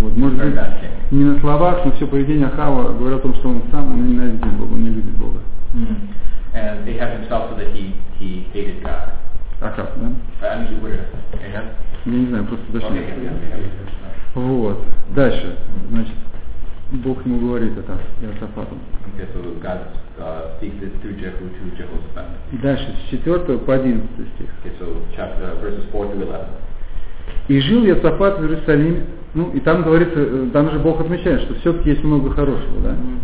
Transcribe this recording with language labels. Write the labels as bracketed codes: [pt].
[ru] Вот, может быть, не на словах, но все поведение Ахава говорит о том, что он ненавидит Бога, он не любит Бога. [en] And they have himself so that he hated God. [ru] Ахав, да? [en] Ahab? [ru] Я не знаю, просто точно. [en] Okay, yeah. [ru] Вот, дальше, значит, Бог ему говорит это Иосафату. [en] Okay, so God speaks this through Jehu to Jehoshaphat. [ru] Дальше, с 4 по 11 стих. [en] Okay, so verses 4 to 11. [ru] И жил Иосафат в Иерусалиме. Ну, и там говорится, там же Бог отмечает, что все-таки есть много хорошего, да?